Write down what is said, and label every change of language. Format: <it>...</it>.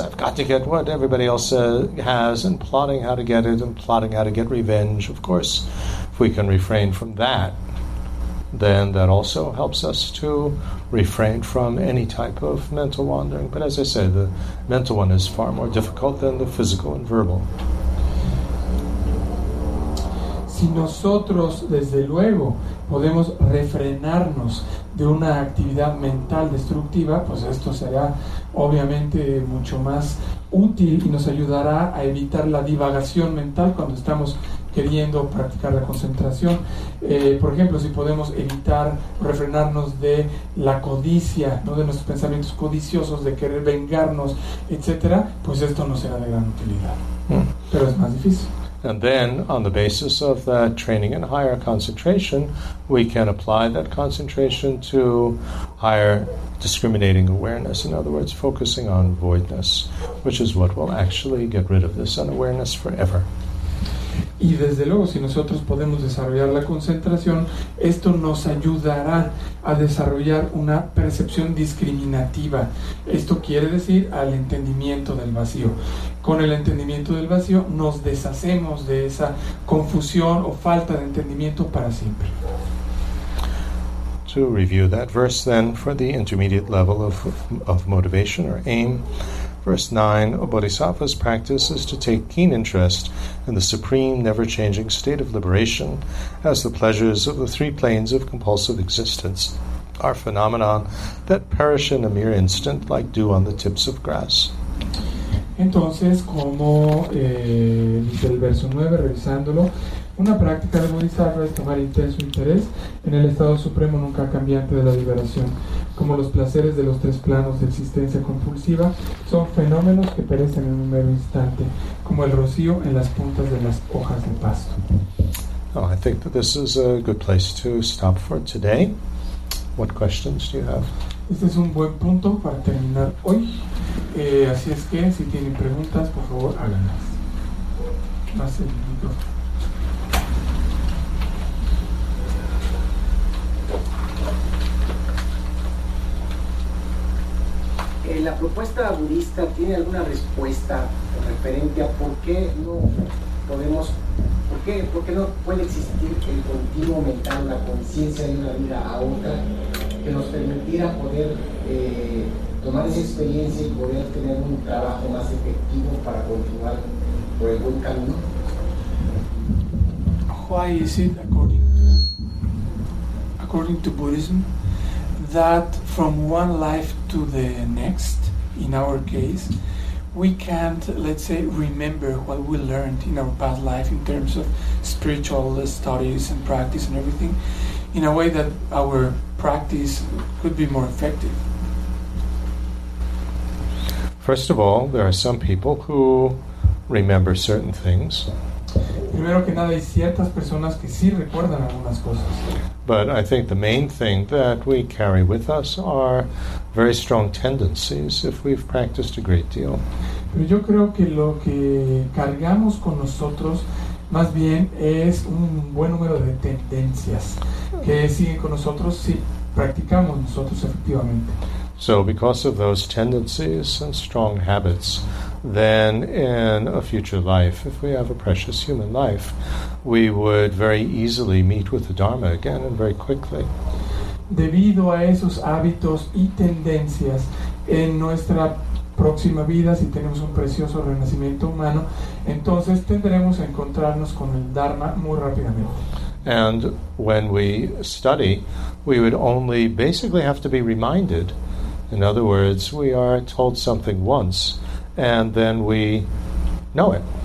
<en>I've got to get what everybody else has, and plotting how to get it, and plotting how to get revenge. Of course, if we can refrain from that, then that also helps us to refrain from any type of mental wandering. But as I say, the mental one is far more difficult than the physical and verbal.</en> <es>Si nosotros, desde luego, podemos refrenarnos de una actividad mental destructiva, pues esto será obviamente mucho más útil y nos ayudará a evitar la divagación mental cuando estamos queriendo practicar la concentración. Por ejemplo, si podemos evitar refrenarnos de la codicia, ¿no?, de nuestros pensamientos codiciosos, de querer vengarnos, etcétera, pues esto no será de gran utilidad. Pero es más difícil.</es> <en>And then, on the basis of that training in higher concentration, we can apply that concentration to higher discriminating awareness. In other words, focusing on voidness, which is what will actually get rid of this unawareness forever.</en> <es>Y desde luego, si nosotros podemos desarrollar la concentración, esto nos ayudará a desarrollar una percepción discriminativa. Esto quiere decir al entendimiento del vacío. Con el entendimiento del vacío, nos deshacemos de esa confusión o falta de entendimiento para siempre.</es> <en>To review that verse then, for the intermediate level of motivation or aim, verse 9, a bodhisattva's practice is to take keen interest in the supreme, never-changing state of liberation as the pleasures of the three planes of compulsive existence are phenomena that perish in a mere instant like dew on the tips of grass.</en> <es>Entonces, como dice el verso 9, revisándolo, una práctica de bodhisattva es tomar intenso interés en el estado supremo nunca cambiante de la liberación, como los placeres de los tres planos de existencia compulsiva son fenómenos que perecen en un mero instante, como el rocío en las puntas de las hojas de pasto.</es> <en>Oh, I think that this is a good place to stop for today. What questions do you have?</en> <es>Este es un buen punto para terminar hoy. Así es que, si tienen preguntas, por favor, háganlas. Pase el micrófono. ¿La propuesta budista tiene alguna respuesta referente a por qué no podemos, por qué no puede existir el continuo mental, la conciencia de una vida a otra, que nos permitiera poder tomar esa experiencia y poder tener un trabajo más efectivo para continuar por el buen camino?</es> <en>Why is it according to Buddhism that from one life to the next, in our case, we can't, let's say, remember what we learned in our past life in terms of spiritual studies and practice and everything, in a way that our practice could be more effective? First of all, there are some people who remember certain things.</en> <es>Primero que nada, hay ciertas personas que sí recuerdan algunas cosas.</es> <en>But I think the main thing that we carry with us are very strong tendencies if we've practiced a great deal.</en> <es>Pero yo creo que lo que cargamos con nosotros más bien es un buen número de tendencias que siguen con nosotros si practicamos nosotros efectivamente.</es> <en>So because of those tendencies and strong habits, then in a future life, if we have a precious human life, we would very easily meet with the Dharma again and very quickly.</en> <es>Debido a esos hábitos y tendencias en nuestra próxima vida, si tenemos un precioso renacimiento humano, entonces tendremos a encontrarnos con el Dharma muy rápidamente.</es> <en>And when we study, we would only basically have to be reminded. In other words, we are told something once, and then we know it.</en>